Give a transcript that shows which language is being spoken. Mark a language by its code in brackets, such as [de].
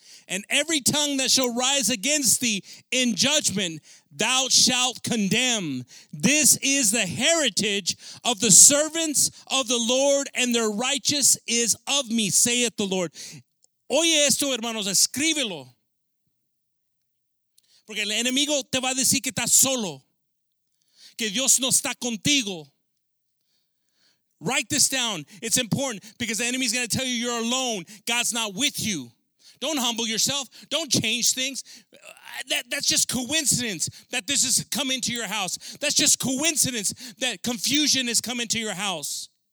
[en] And every tongue that shall rise against thee in judgment, thou shalt condemn. This is the heritage of the servants of the Lord, and their righteous is of me, saith the Lord. [es] Oye esto, hermanos, escríbelo. Porque el enemigo te va a decir que estás solo, que Dios no está contigo. [en] Write this down. It's important because the enemy is going to tell you you're alone. God's not with you. Don't humble yourself. Don't change things. That's just coincidence that this has come into your house. That's just coincidence that confusion has come into your house.